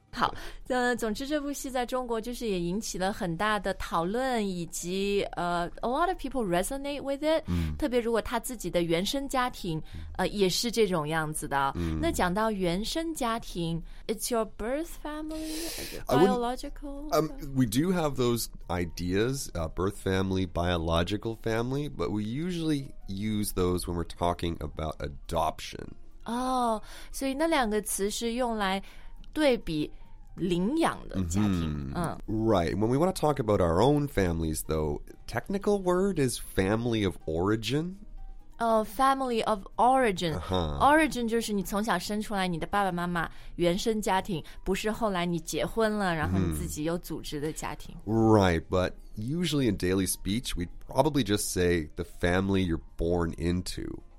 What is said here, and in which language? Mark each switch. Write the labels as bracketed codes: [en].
[zh] 好，总之这部戏在中国就是也引起了很大的讨论，以及 [en] a lot of people resonate with it、 [zh] 特别如果他自己的原生家庭也是这种样子的、那讲到原生家庭 [en] It's your birth family? Biological? We do have those ideas、birth family, biological family, but we usually use those when we're talking about adoption. [zh] 哦、oh, 所以那两个词是用来对比领养的家庭、 [en] Right. When we want to talk about our own families, though, technical word is family of origin. Oh, family of origin. [zh] Origin 就是你从小生出来你的爸爸妈妈原生家庭，不是后来你结婚了，然后你自己有组织的家庭。 [en] Right, but usually in daily speech, we'd probably just say the family you're born into.